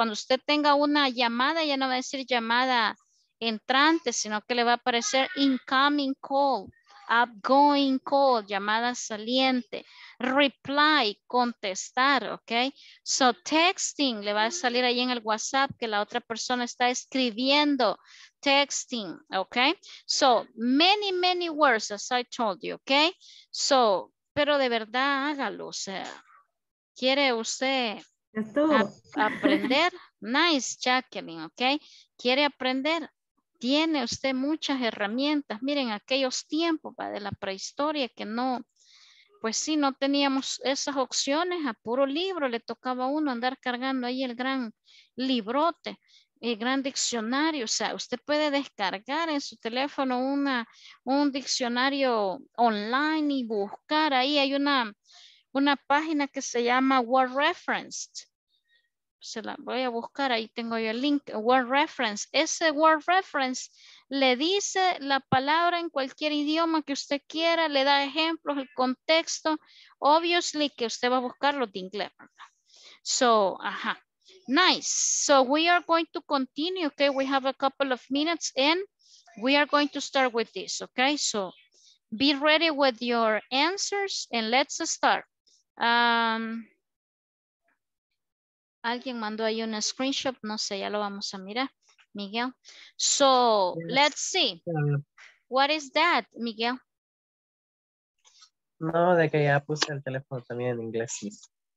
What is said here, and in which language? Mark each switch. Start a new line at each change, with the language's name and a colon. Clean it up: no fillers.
Spanish: Cuando usted tenga una llamada, ya no va a decir llamada entrante, sino que le va a aparecer
English: incoming call. Upgoing call,
Spanish: llamada saliente.
English: Reply, contestar, ok.
Spanish: So texting, le va a salir ahí en el WhatsApp que la otra persona está escribiendo.
English: Texting, ok. So many, many words, as I told you, ok.
Spanish: So, pero de verdad hágalo, o sea, ¿quiere usted aprender?
English: Nice, Jacqueline, ok.
Spanish: ¿Quiere aprender? Tiene usted muchas herramientas. Miren, aquellos tiempos de la prehistoria que no, pues sí, no teníamos esas opciones. A puro libro le tocaba a uno andar cargando ahí el gran librote, el gran diccionario. O sea, usted puede descargar en su teléfono un diccionario online y buscar ahí. Hay una página que se llama Word Referenced. Se la voy a buscar, ahí tengo yo el link, Word Reference. Ese Word Reference le dice la palabra en cualquier idioma que usted quiera, le da ejemplos, el contexto, obviously que usted va a buscarlo de inglés, ¿verdad? So, ajá, nice.
English: So we are going to continue, okay, we have a couple of minutes and we are going to start with this, okay? So be ready with your answers and let's start.
Spanish: Alguien mandó ahí un screenshot, no sé, ya lo vamos a mirar, Miguel.
English: So, yes. Let's see. What is that, Miguel?
Spanish: No, de que ya puse el teléfono también en inglés.